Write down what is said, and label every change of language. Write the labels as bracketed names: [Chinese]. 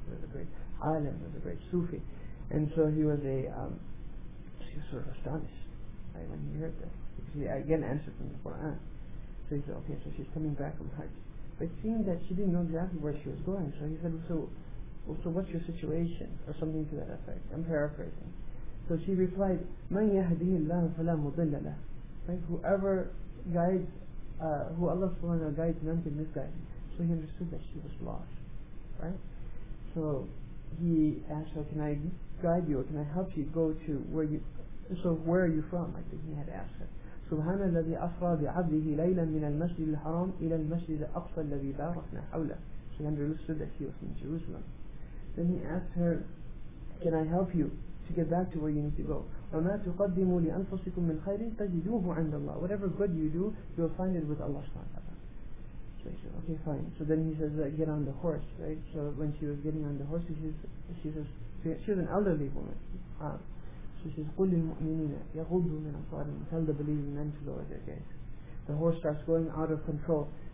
[English] He was a great alim, he was a great Sufi. And so he was a, he was sort of astonished, right, when he heard this. Because he again answered from the Quran. So he said, okay, so she's coming back from Hajj. But seeing that she didn't know exactly where she was going, so he said, so what's your situation? Or something to that effect. I'm paraphrasing. So she replied, [Arabic] مَنْ يَهْدِهِ اللَّهُ فَلَا مُضِلَّ لَهُ. [English] Right? Whoever guides, who Allah subhanahu wa ta'ala guides, none can misguide. So he understood that she was lost. Right? So he asked her, can I guide you, or can I help you go to where you, so where are you from? I think he had asked her. [Arabic] سبحان الذي أسرى بعبده ليلا من المسجد الحرام إلى المسجد الأقصى الذي باركنا حوله. [English] She understood that he was in Jerusalem. Then he asked her, can I help you to get back to where you need to go? [Arabic] وما تقدموا لأنفسكم من خير تجدوه عند الله. [English] Whatever good you do, you will find it with Allah subhanahu wa ta'ala. So he said, okay, fine. So then he says, get on the horse, right? So when she was getting on the horse, she was an elderly woman. So she says, [Arabic] قُلْ لِلْمُؤْمِنِينَ يَغُضُّ مِنْ أَبْصَارِهِمْ. [English] Tell the believing men to lower their gaze. The horse starts going out of control.